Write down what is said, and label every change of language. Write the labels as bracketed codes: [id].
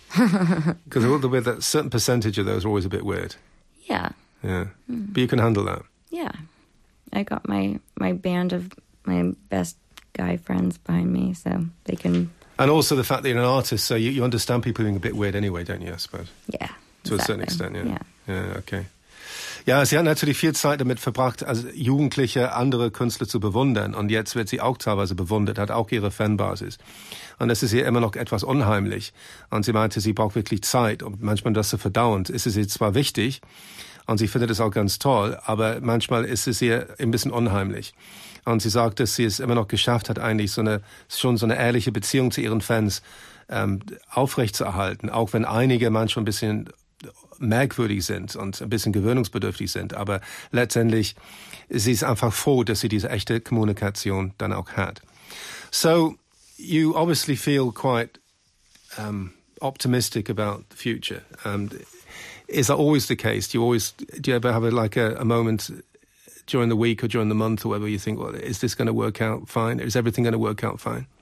[en] Because the way that certain percentage of those are always a bit weird. Yeah. Yeah. Mm. But you can handle that. Yeah. I got my band of my best guy friends behind me, so they can... And also the fact that you're an artist, so you understand people being a bit weird anyway, don't you, I suppose? Yeah, to exactly. a certain extent, yeah. Yeah, yeah, okay. [de] Ja, sie hat natürlich viel Zeit damit verbracht, als Jugendliche andere Künstler zu bewundern. Und jetzt wird sie auch teilweise bewundert, hat auch ihre Fanbasis. Und das ist ihr immer noch etwas unheimlich. Und sie meinte, sie braucht wirklich Zeit. Und manchmal, das zu verdauen, ist es ihr zwar wichtig, und sie findet es auch ganz toll, aber manchmal ist es ihr ein bisschen unheimlich. Und sie sagt, dass sie es immer noch geschafft hat, eigentlich schon so eine ehrliche Beziehung zu ihren Fans aufrechtzuerhalten. Auch wenn einige manchmal ein bisschen merkwürdig sind und ein bisschen gewöhnungsbedürftig sind. Aber letztendlich, sie ist einfach froh, dass sie diese echte Kommunikation dann auch hat. [en] So, you obviously feel quite optimistic about the future. Is that always the case? Do you ever have a moment during the week or during the month or whatever you think, well, is this going to work out fine? Is everything going to work out fine?